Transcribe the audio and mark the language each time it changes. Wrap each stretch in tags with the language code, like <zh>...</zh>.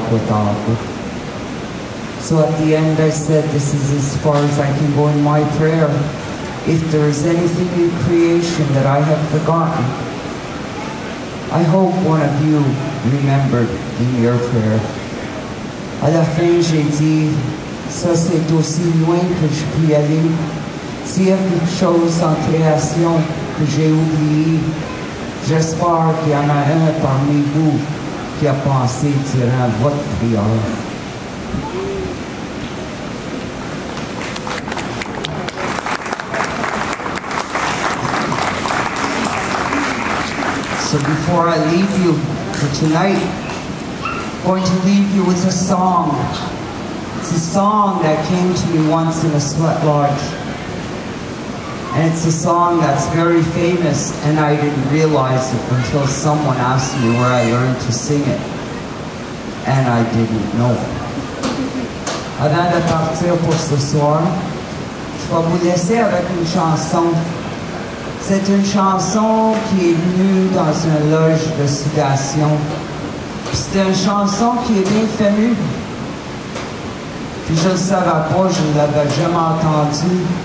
<en>So at the end I said, this is as far as I can go in my prayer. If there is anything in creation that I have forgotten, I hope one of you remembered in your prayer.</en> <fr>À la fin, j'ai dit, ça c'est aussi loin que je puis aller. S'il y a quelque chose en création que j'ai oublié, j'espère qu'il y en a un parmi vous qui a pensé durant votre prière.</fr> <en>So before I leave you for tonight, I'm going to leave you with a song. It's a song that came to me once in a sweat lodge. And it's a song that's very famous, and I didn't realize it until someone asked me where I learned to sing it. And I didn't know.</en> <fr>Avant de partir pour ce soir, je vais vous laisser avec une chanson. C'est une chanson qui est venue dans une loge de sédation. C'est une chanson qui est bien venue. Puis je ne savais pas, je ne l'avais jamais entendue.</fr>